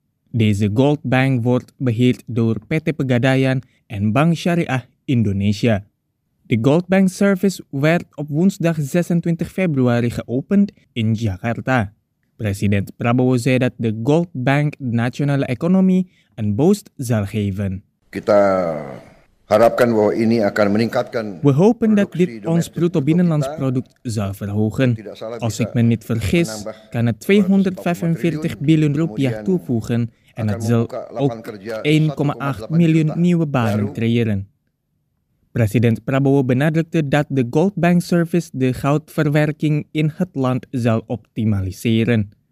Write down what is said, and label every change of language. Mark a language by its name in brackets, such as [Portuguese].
[Dutch] Deze goldbank wordt beheerd door PT Pegadaian en Bank Syariah Indonesia. De goldbank service werd op woensdag 26 februari geopend in Jakarta. President Prabowo zei dat de Gold Bank de nationale economie een boost zal geven. [Indonesian] Kita harapkan bahwa ini akan meningkatkan. [Dutch] We hopen dat dit ons bruto binnenlands product zal verhogen. Als ik me niet vergis, kan het 245 biljoen rupiah toevoegen en het zal ook 1,8 miljoen nieuwe banen creëren. President Prabowo benadrukte dat de Goldbank Service de goudverwerking in het land zal optimaliseren.